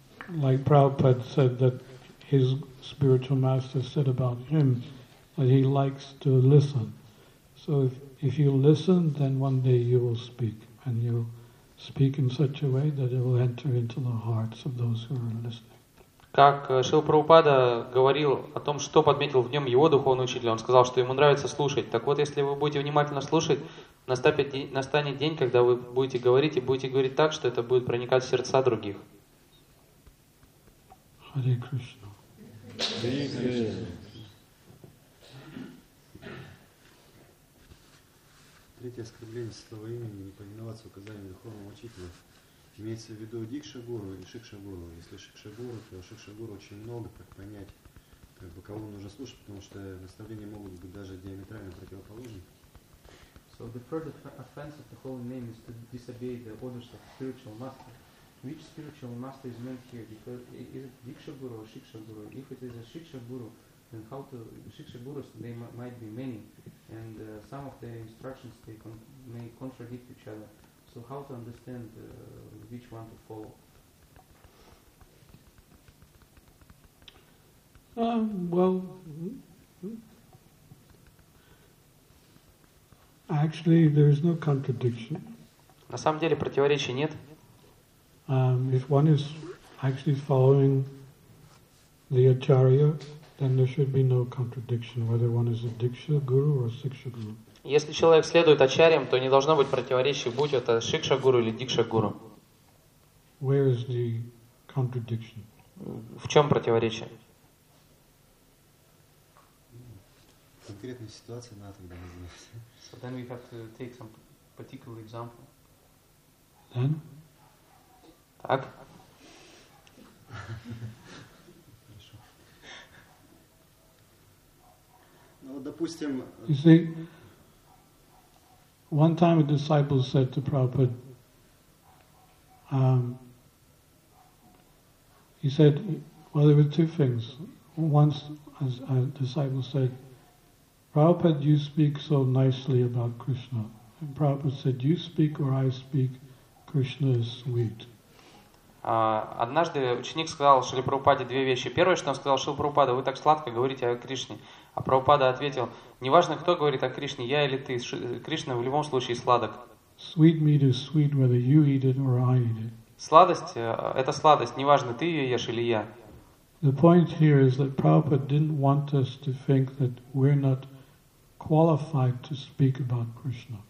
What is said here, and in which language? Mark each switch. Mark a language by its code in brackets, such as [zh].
[en] Like Prabhupada said that his spiritual master said about him that he likes to listen. So if you listen, then one day you will speak, and you speak in such a way that it will enter into the hearts of those who are listening. [ru] Как Шрила Прабхупада говорил о том, что подметил в нем его духовный учитель, он сказал, что ему нравится слушать. Так вот, если вы будете внимательно слушать, настанет день, когда вы будете говорить, и будете говорить так, что это будет проникать в сердца других. [en] Hare Krishna. [ru] Третье оскорбление святого имени, не повиноваться указаниям духовного учителя. Имеется в виду Дикшагуру или Шикшагуру. Если Шикшагуру, то Шикшагуру очень много, как понять, как бы кого нужно слушать, потому что наставления могут быть даже диаметрально противоположны. [en] So the first offense of the holy name is to disobey the orders of the spiritual master. Which spiritual master is meant here? Because is it Dikshaguru or Shikshaguru? If it is a Shikshaguru, then how to Shikshagurus? They might be many, and some of their instructions they may contradict each other. So how to understand which one to follow? Well, actually, there is no contradiction. [ru] На самом деле противоречий нет. [en] If one is actually following the acharya, then there should be no contradiction whether one is a diksha guru or a shiksha guru. [ru] Если человек следует ачарьям, то не должно быть противоречий, будь это шикша гуру или дикша гуру. [en] Where is the contradiction? [ru] В чем противоречие? Конкретная ситуация надо тогда назвать. [en] So then we have to take some particular example. Then? [ru] Так. Ну, допустим. [en] You see, one time a disciple said to Prabhupada, he said, well, there were two things. Once, as a disciple said, Prabhupada, you speak so nicely about Krishna. And Prabhupada said, you speak or I speak, Krishna is sweet. [ru] Однажды ученик сказал Шриле Прабхупаде две вещи. Первое, что он сказал: Шрила Прабхупада, вы так сладко говорите о Кришне. А Прабхупада ответил: неважно, кто говорит о Кришне, я или ты, Кришна в любом случае сладок. [en] Sweet meat is sweet, whether you eat it or I eat it. [ru] Сладость – это сладость, неважно, ты ее ешь или я. [en] The point here is that Prabhupada didn't want us to think that we're not qualified to speak about Krishna.